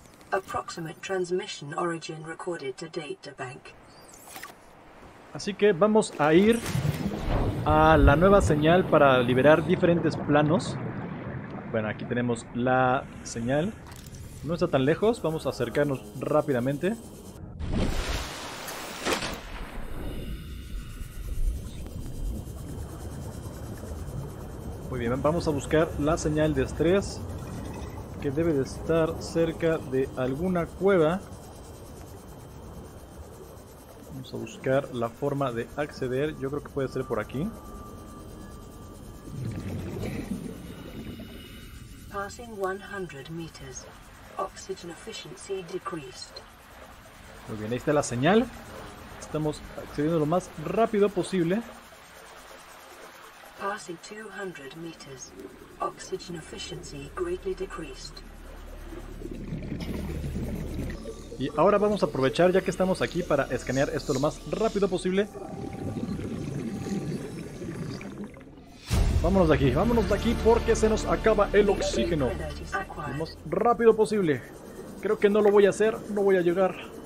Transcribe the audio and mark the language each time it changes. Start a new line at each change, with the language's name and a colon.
English: Approximate transmission origin recorded to data bank.
Spanish: Así que vamos a ir a la nueva señal para liberar diferentes planos. Bueno, aquí tenemos la señal. No está tan lejos, vamos a acercarnos rápidamente. Muy bien, vamos a buscar la señal de estrés, que debe de estar cerca de alguna cueva. Vamos a buscar la forma de acceder. Yo creo que puede ser por aquí.
English: Passing 100 meters. Oxygen efficiency decreased.
Spanish: Muy bien, ahí está la señal. Estamos accediendo lo más rápido posible.
English: Passing 200 meters. Oxygen efficiency greatly decreased.
Spanish: Y ahora vamos a aprovechar, ya que estamos aquí, para escanear esto lo más rápido posible. Vámonos de aquí porque se nos acaba el oxígeno. Vamos rápido posible. Creo que no lo voy a hacer, no voy a llegar.